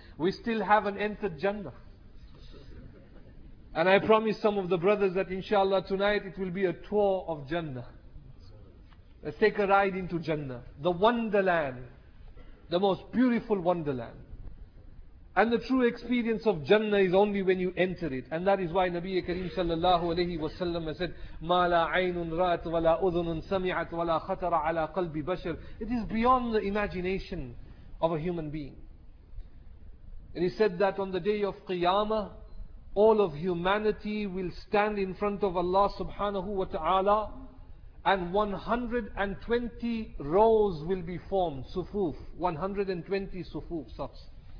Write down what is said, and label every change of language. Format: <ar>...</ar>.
<en>We still haven't entered Jannah. And I promise some of the brothers that inshallah tonight it will be a tour of Jannah. Let's take a ride into Jannah. The wonderland. The most beautiful wonderland. And the true experience of Jannah is only when you enter it. And that is why Nabi Kareem sallallahu alayhi wa sallam said,</en> <ar>مَا لَا عَيْنٌ رَأَتْ وَلَا أُذُنٌ سَمِعَتْ وَلَا خَتَرَ عَلَىٰ قَلْبِ بَشَرٍ.</ar> <en>It is beyond the imagination of a human being. And he said that on the day of Qiyamah, all of humanity will stand in front of Allah subhanahu wa ta'ala and 120 rows will be formed, sufuf, 120 sufuf, safs.</en>